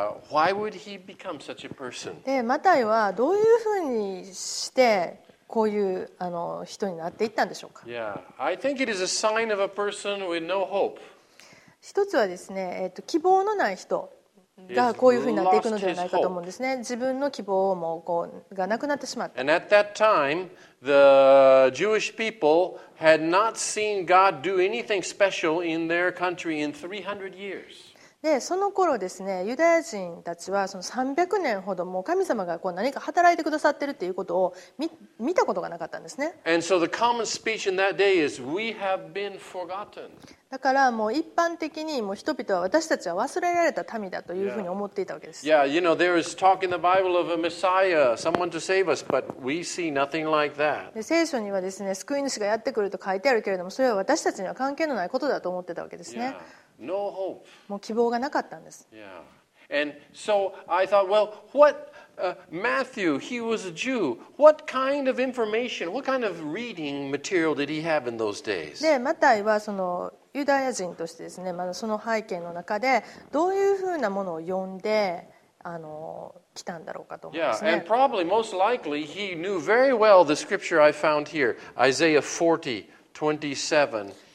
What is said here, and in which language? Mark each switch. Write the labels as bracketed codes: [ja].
[en] Why would he become such a person? [ja] でマタイはどういうふうにしてこういう人になっていったんでしょうか。 [en] Yeah, I think it is a sign of a person with no hope. [ja] 一つはですね、希望のない人がこういうふうになっていくのではないかと思うんですね。自分の希望もこうがなくなってしまった。 [en] And at that time, the Jewish people had not seen God do anything special in their country in 300 years. [ja] でその頃ですね、ユダヤ人たちはその300年ほども神様がこう何か働いてくださってるっていうことを見たことがなかったんですね。 [en] And so the common speech in that day is, we have been forgotten. [ja] だからもう一般的にもう人々は私たちは忘れられた民だというふうに思っていたわけです。 [en] Yeah, you know, there is talk in the Bible of a Messiah, someone to save us, but we see nothing like that. [ja] で聖書にはですね、救い主がやってくると書いてあるけれども、それは私たちには関係のないことだと思ってたわけですね。 [en] Yeah. No hope. [ja] もう希望がなかったんです。 [en] Yeah. And so I thought, well, what, Matthew, he was a Jew. What kind of information, what kind of reading material did he have in those days? [ja] で、マタイはそのユダヤ人としてですね、まだその背景の中でどういうふうなものを読んで、来たんだろうかと思いますね。 [en] Yeah, and probably most likely he knew very well the scripture I found here, Isaiah 40:27-31.